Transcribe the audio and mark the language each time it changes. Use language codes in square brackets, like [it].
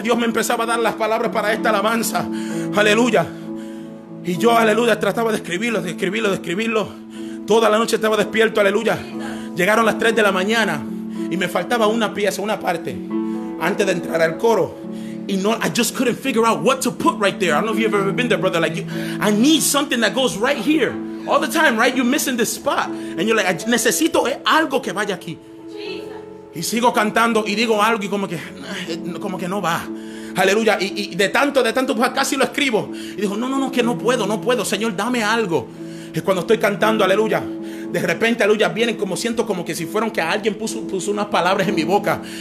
[es] Dios me empezaba a dar las palabras para esta alabanza, aleluya. Y yo, aleluya, trataba de escribirlo. Toda la noche estaba despierto, aleluya. Llegaron las 3 de la mañana y me faltaba una pieza, una parte, antes de entrar al coro. Y no, [en] I just couldn't figure out what to put right there. I don't know if you've ever been there, brother. Like, you, I need something that goes right here. All the time, right? You're missing this spot. And you're like, [es] necesito algo que vaya aquí. Y sigo cantando y digo algo y como que no va. Aleluya. Y de tanto, pues casi lo escribo. Y dijo, no, que no puedo. Señor, dame algo. Y cuando estoy cantando, aleluya, de repente, aleluya, vienen como, siento como que si fueron que alguien puso unas palabras en mi boca.